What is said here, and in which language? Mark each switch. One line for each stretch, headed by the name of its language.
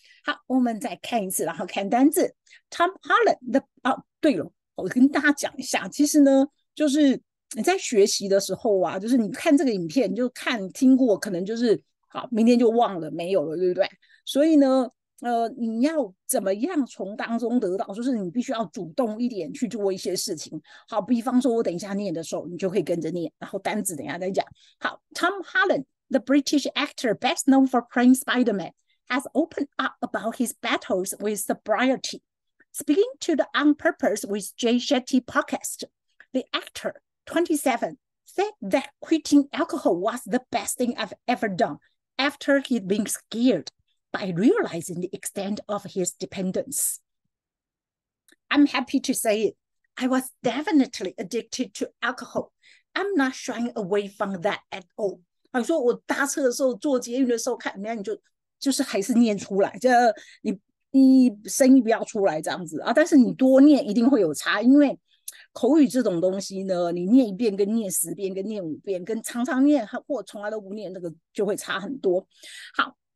Chinese: 好，我们再看一次，然后看单字，Tom Holland 的，哦，对了，我跟大家讲一下，其实呢，就是你在学习的时候啊，就是你看这个影片，你就看听过，可能就是好，明天就忘了，没有了，对不对？所以呢。你要怎么样从当中得到？就是你必须要主动一点去做一些事情。好，比方说，我等一下念的时候，你就可以跟着念，然后单词等一下再讲。
English: 好，Tom Holland, the British actor best known for playing Spider-Man, has opened up about his battles with sobriety. Speaking to the On Purpose with Jay Shetty podcast, the actor, 27, said that quitting alcohol was the best thing I've ever done after he'd been scared. By realizing the extent of his dependence, I'm happy to say it. I was definitely addicted to alcohol. I'm not shying away from that at all.
Chinese: 啊，说我搭车的时候、坐捷运的时候看，人家你就是还是念出来，就你声音不要出来这样子啊。但是你多念一定会有差，因为口语这种东西呢，你念一遍、跟念10遍、跟念5遍、跟常常念或从来都不念，那个就会差很多。好。